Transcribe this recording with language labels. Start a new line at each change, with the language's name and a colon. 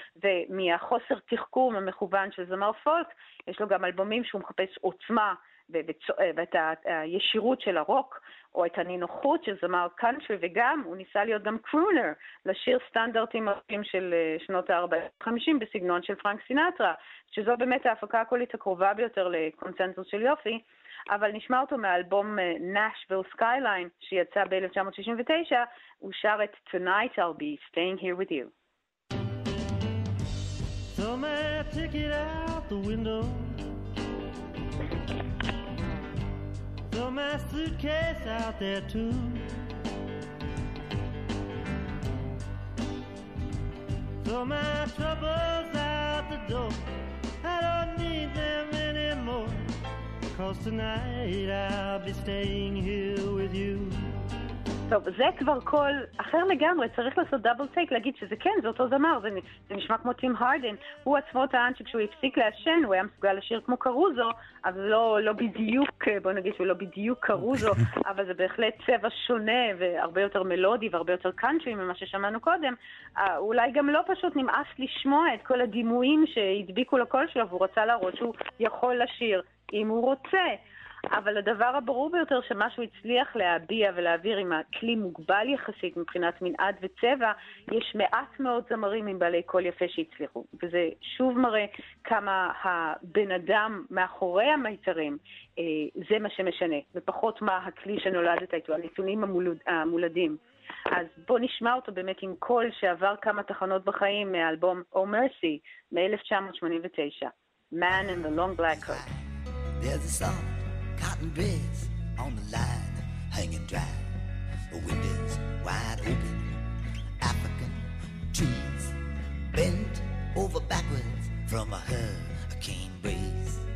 Hebrew: ומהחוסר תחכום המכוון של זמר פולק, יש לו גם אלבומים שהוא מחפש עוצמה ואת הישירות של הרוק, או את הנינוחות של זמר קאנטרי, וגם הוא ניסה להיות גם קרונר, לשיר סטנדרטים מרפים של שנות ה-40-50 בסגנון של פרנק סינטרה, שזו באמת ההפקה הקולית הקרובה ביותר לקונצנזוס של יופי, אבל נשמע אותו מאלבום Nashville Skyline שיצא ב-1969, הוא שר את Tonight I'll Be Staying Here With You.
English: Throw my ticket out the window, throw my suitcase out there too, throw my troubles out the door, I don't need them anymore, 'cause tonight I'll be staying here with you.
Hebrew: טוב, זה כבר קול אחר לגמרי, צריך לעשות דאבל טייק, להגיד שזה כן, זה אותו זמר, זה נשמע כמו טים הרדן. הוא עצמו טען שכשהוא הפסיק לעשן, הוא היה מסוגל לשיר כמו קרוזו, אבל לא בדיוק, בוא נגיד שהוא לא בדיוק קרוזו, אבל זה בהחלט צבע שונה, והרבה יותר מלודי, והרבה יותר קאנטרי ממה ששמענו קודם. אולי גם לא פשוט נמאס לשמוע את כל הדימויים שהדביקו לקול שלו, והוא רצה להראות שהוא יכול לשיר אם הוא רוצה. אבל הדבר הברור ביותר שמשהו הצליח להביע ולהעביר עם הכלי מוגבל יחסית מבחינת מנעד וצבע, יש מעט מאוד זמרים עם בעלי קול יפה שהצליחו. וזה שוב מראה כמה הבן אדם מאחורי המיתרים, זה מה שמשנה, ופחות מה הכלי שנולדת איתו, הנתונים המולדים. אז בוא נשמע אותו באמת עם קול שעבר כמה תחנות בחיים מאלבום Oh Mercy מ-1989.
English: Man in the Long Black Coat. There's a song. Cotton beds on the line hanging dry, windows wide open, African trees bent over backwards from a hurricane breeze.